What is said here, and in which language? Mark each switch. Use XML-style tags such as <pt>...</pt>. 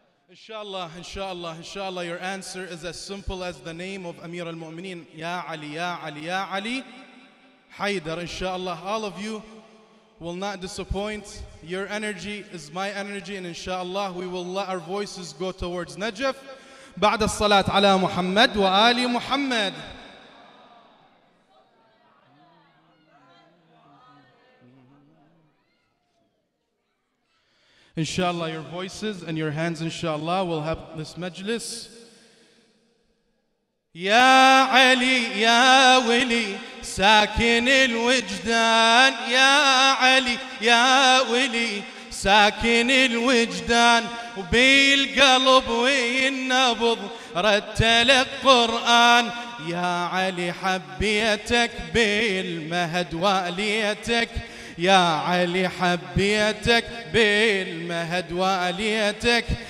<en>Inshallah, inshallah, inshallah, your answer is as simple as the name of Amir al-Mu'mineen. Ya Ali, Ya Ali, Ya Ali. Haydar, inshallah, all of you will not disappoint. Your energy is my energy, and inshallah, we will let our voices go towards Najaf.</en> <ar>بعد الصلاة على محمد وآل محمد.</ar> <en>Inshallah, your voices and your hands, inshallah, will help this majlis.</en> <ar>Ya Ali, ya Wali, ساكن الوجدان. Ya Ali, ya Wali, ساكن الوجدان. وبالقلب وينبض رتل القرآن. يا علي حبيتك بالمهد وآليتك. يا علي حبيتك بالمهد وآليتك.</ar>